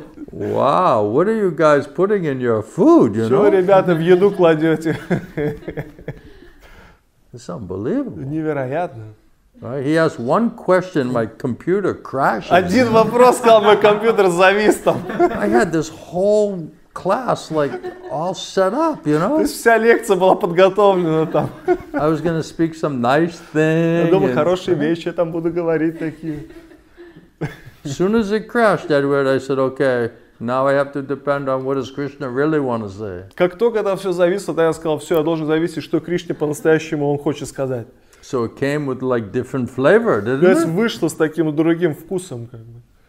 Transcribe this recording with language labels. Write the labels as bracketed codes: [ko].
[en] Wow, what are you guys putting in your food, you [ru] Что [en] know? [ru] Что ребята в еду кладете? [en] It's unbelievable. [ru] Невероятно. [en] Right? He asked one question, my computer crashes. [ru] Один вопрос сказал, мой компьютер завис там. [en] I had this whole class like all set up, you know. [ru] То есть вся лекция была подготовлена там. [en] I was gonna speak some nice thing. [ru] Я думал, хорошие вещи я там буду говорить такие. [en] As soon as it crashed, Edward, I said, okay, now I have to depend on what does Krishna really want to say. [ru] Как только там все зависло, то я сказал, все, я должен зависеть, что Кришне по-настоящему он хочет сказать. [en] So it came with like different flavor, didn't it? [ru] То есть вышло с таким другим вкусом, как бы.